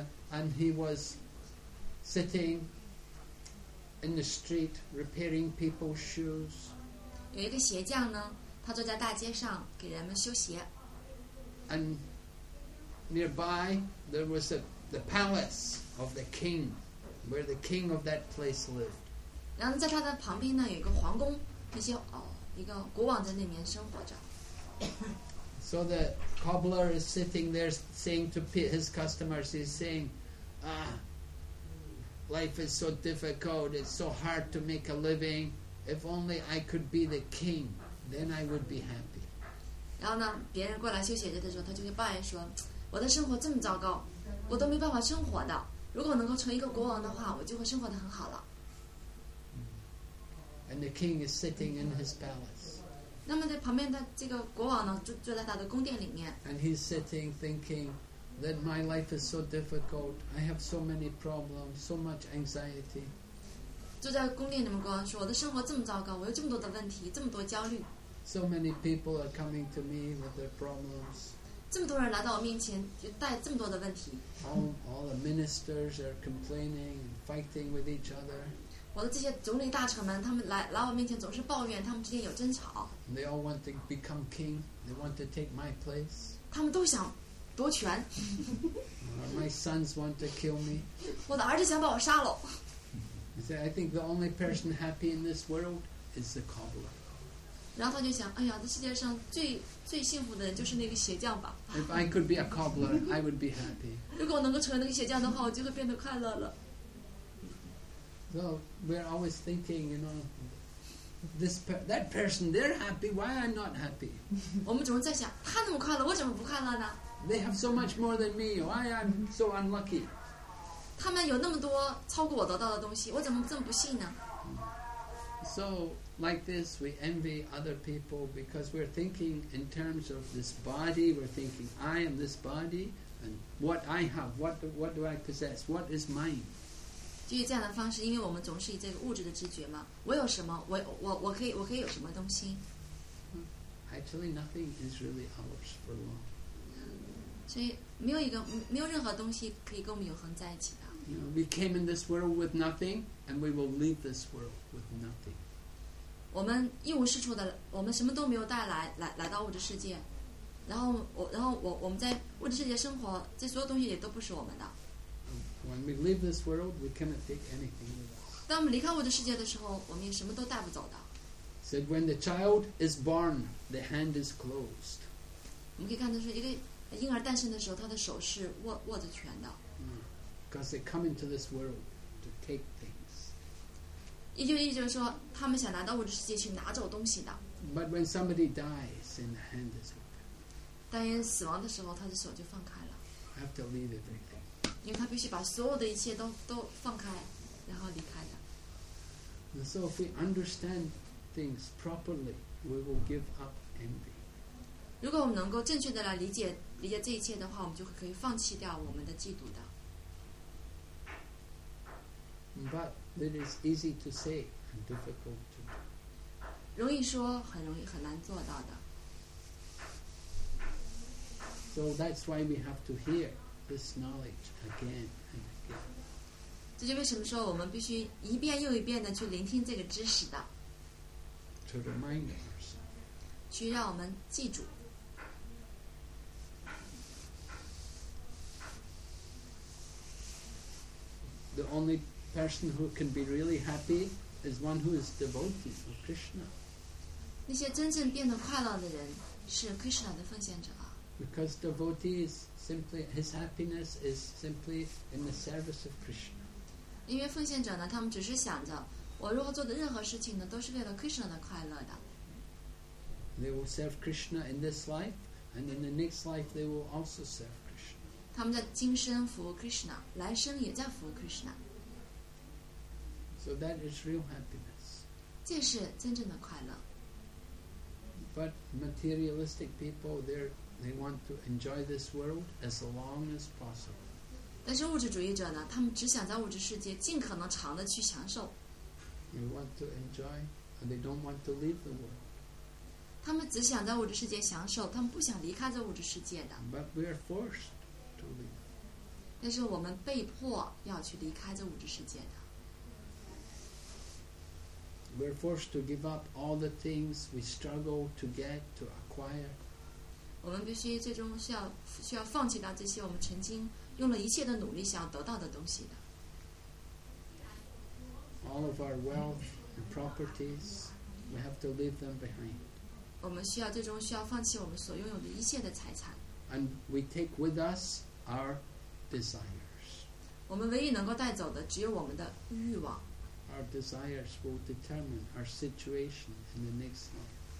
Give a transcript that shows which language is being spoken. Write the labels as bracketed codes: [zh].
[en] and he was sitting in the street repairing people's shoes. [zh] 有一个鞋匠呢。他坐在大街上给人们修鞋。 [en] And nearby there was the palace of the king, where the king of that place lived. [zh] 然后在他的旁边呢有一个皇宫，那些一个国王在那边生活着。 [en] So the cobbler is sitting there saying to his customers, he's saying, "Ah, life is so difficult. It's so hard to make a living. If only I could be the king." Then I would be happy. [zh] 然后呢，别人过来修鞋子的时候，他就会抱怨说：“我的生活这么糟糕，我都没办法生活的。如果能够成一个国王的话，我就会生活得很好了。” [en] And the king is sitting in his palace. [zh] 那么在旁边的这个国王呢，就在他的宫殿里面。 [en] And he's sitting, thinking that my life is so difficult. I have so many problems, so much anxiety. [zh] 坐在宫殿里面，国王说：“我的生活这么糟糕，我有这么多的问题，这么多焦虑。” [en] So many people are coming to me with their problems. [zh] 这么多人来到我面前，就带这么多的问题。 [en] All the ministers are complaining and fighting with each other. [zh] 我的这些总理大臣们，他们来我面前总是抱怨，他们之间有争吵。 [en] They all want to become king. They want to take my place. [zh] 他们都想夺权。 [en] My sons want to kill me. [zh] 我的儿子想把我杀了。 [en] He said, I think the only person happy in this world is the cobbler. [zh] 然后他就想，哎呀，这世界上最幸福的人就是那个鞋匠吧。 [en] If I could be a cobbler, I would be happy. [zh] 如果我能够成为那个鞋匠的话，我就会变得快乐了。 [en] So we're always thinking, you know, this that person, they're happy. Why I'm not happy? [zh] 我们总是在想，他那么快乐，我怎么不快乐呢 [en] ？They have so much more than me. Why I'm so unlucky? [zh] 他们有那么多超过我得到的东西，我怎么这么不幸呢 [en] ？So like this, we envy other people because we're thinking in terms of this body. We're thinking, I am this body, and what I have, what do I possess? What is mine? [zh] 就是这样的方式，因为我们总是以这个物质的知觉嘛。我有什么？我可以有什么东西 [en] ？Actually, nothing is really ours for long. [zh] 所以没有任何东西可以跟我们永恒在一起的。 [en] You know, we came in this world with nothing, and we will leave this world with nothing. [zh] 我们一无是处的，我们什么都没有带来到物质世界，然后我们在物质世界生活，这所有东西也都不是我们的。 [en] When we leave this world, we cannot take anything with us. [zh] 当我们离开物质世界的时候，我们也什么都带不走的。 [en] Said when the child is born, the hand is closed. [zh] 我们可以看到说，一个婴儿诞生的时候，他的手是握着拳的。 [en] Because they come into this world to take things. [zh] 也就是说，他们想拿到物质世界去拿走东西的。 [en] But when somebody dies, and the hand is open. [zh] 当人死亡的时候，他的手就放开了。 [en] I have to leave everything. [zh] 因为他必须把所有的一切都放开，然后离开的。 [en] So if we understand things properly, we will give up envy. [zh] 如果我们能够正确的来理解这一切的话，我们就可以放弃掉我们的嫉妒的。 [en] But it is easy to say and difficult to do. [zh] 容易说，很容易，很难做到的。 [en] So that's why we have to hear. This knowledge again and again. [zh] 这就为什么说我们必须一遍又一遍的去聆听这个知识的。 [en] To remind ourselves. [zh] 去让我们记住。 [en] The only person who can be really happy is one who is devotee of Krishna. [zh] 那些真正变得快乐的人是 Krishna 的奉献者。 [en] Because devotees. Simply, his happiness is simply in the service of Krishna. [zh] 因为奉献者呢，他们只是想着我如何做的任何事情呢，都是为了 Krishna 的快乐的。 [en] They will serve Krishna in this life, and in the next life, they will also serve Krishna. [zh] 他们在今生服务 Krishna， 来生也在服务 Krishna. [en] So that is real happiness. [zh] 这是真正的快乐。 [en] But materialistic people, they want to enjoy this world as long as possible. [zh] 但是物质主义者呢，他们只想在物质世界尽可能长的去享受。 [en] They want to enjoy, and they don't want to leave the world. [zh] 他们只想在物质世界享受，他们不想离开这物质世界的。 [en] But we are forced to leave. [zh] 但是我们被迫要去离开这物质世界的。 [en] We are forced to give up all the things we struggle to get to acquire. [zh] 我们必须最终需要放弃掉这些我们曾经用了一切的努力想要得到的东西的。 [en] All of our wealth and properties, we have to leave them behind. [zh] 我们最终需要放弃我们所拥有的一切的财产。 [en] And we take with us our desires. [zh] 我们唯一能够带走的只有我们的欲望。 [en] Our desires will determine our situation in the next life.